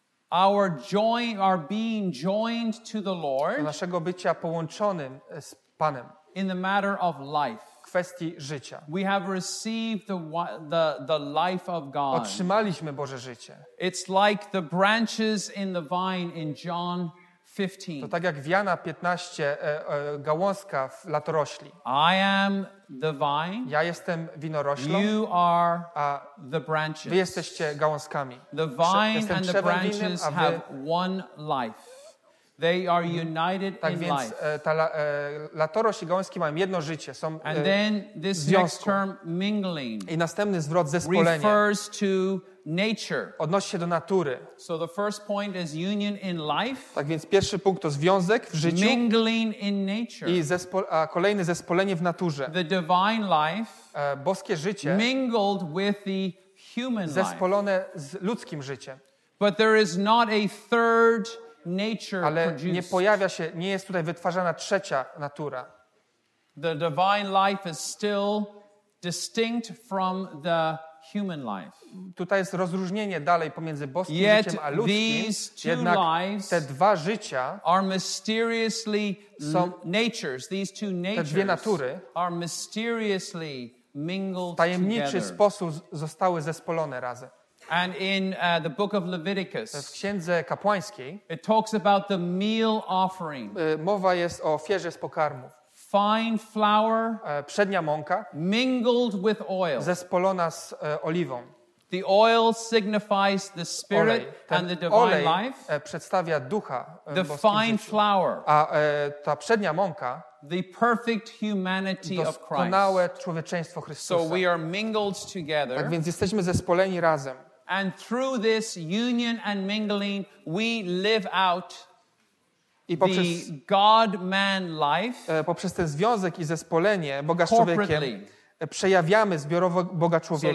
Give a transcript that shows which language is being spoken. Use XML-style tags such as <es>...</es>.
<en>our being joined to the Lord,</en> <pl>do naszego bycia połączonym z Panem.</pl> <en>In the matter of life.</en> <pl>Kwestii życia.</pl> <en>We have received the life of God.</en> <pl>Otrzymaliśmy Boże życie.</pl> <en>It's like the branches in the vine in John 15.</en> <pl>To tak jak w Jana 15 gałązka w latorośli.</pl> <en>I am the vine.</en> <pl>Ja jestem winoroślą.</pl> <en>You are the branches.</en> <pl>Wy jesteście gałązkami.</pl> <en>The vine and the branches have one life. They are united</en> <pl>tak</pl> <en>in</en> <pl>więc,</pl> <en>life.</en> <pl>Tak więc latorośl i gałązki mają jedno życie, są</pl> <en>and then this</en> <pl>w związku.</pl> <en>Next term, mingling.</en> <pl>I następny zwrot zespolenie.</pl> <en>Refers to nature.</en> <pl>Odnosi się do natury.</pl> <en>So the first point is union in life.</en> <pl>Tak więc pierwszy punkt to związek w życiu.</pl> <en>Mingling in nature.</en> <pl>A kolejny zespolenie w naturze.</pl> <en>The divine life.</en> <pl>Boskie życie.</pl> <en>Mingled with the human life.</en> <pl>Zespolone z ludzkim życiem.</pl> <en>But there is not a third nature.</en> <pl>Ale nie pojawia się, nie jest tutaj wytwarzana trzecia natura.</pl> <en>The divine life is still distinct from the human life.</en> <pl>Tutaj jest rozróżnienie dalej pomiędzy boskim życiem a ludzkim. Jednak te dwa życia</pl> <en>are mysteriously</en> <pl>są,</pl> <en>natures. These two natures</en> <pl>te dwie natury</pl> <en>are mysteriously mingled</en> <pl>w tajemniczy</pl> <en>together.</en> <pl>Sposób zostały zespolone razem.</pl> <en>And in the book of Leviticus,</en> <pl>w Księdze Kapłańskiej</pl> <en>it talks about the meal offering.</en> <pl>Mowa jest o ofierze z pokarmów.</pl> <en>Fine flour,</en> <pl>przednia mąka,</pl> <en>mingled with oil,</en> <pl>zespolona z oliwą.</pl> <en>The oil signifies the spirit and the divine</en> <pl>olej</pl> <en>life.</en> <pl>Przedstawia ducha,</pl> <en>the fine</en> <pl>życiu.</pl> <en>Flour,</en> <pl>a ta przednia mąka,</pl> <en>the perfect humanity of Christ,</en> <pl>doskonałe człowieczeństwo Chrystusa.</pl> <en>So we are mingled together.</en> <pl>Tak więc jesteśmy zespoleni razem.</pl> <en>And through this union and mingling, we live out.</en> <pl>I poprzez,</pl> <en>God-man life,</en> <pl>poprzez ten związek i zespolenie Boga z człowiekiem przejawiamy zbiorowo Boga człowieka.</pl>